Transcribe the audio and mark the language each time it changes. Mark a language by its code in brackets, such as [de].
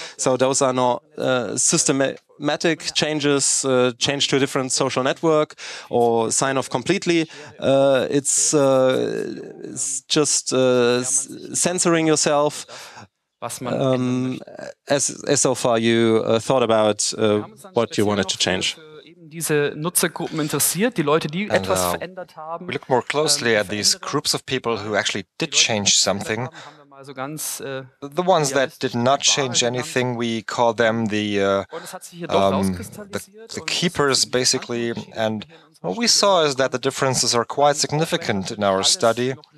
[en] So those are not systematic changes, change to a different social network or sign off completely. It's just censoring yourself. As so far you thought about what you wanted to change. [de] Diese Nutzergruppen interessiert, die Leute, die etwas verändert haben. [en] We look more closely at these groups of people who actually did change something. The ones that did not change anything, we call them the keepers, basically. And what we saw is that the differences are quite significant in our study.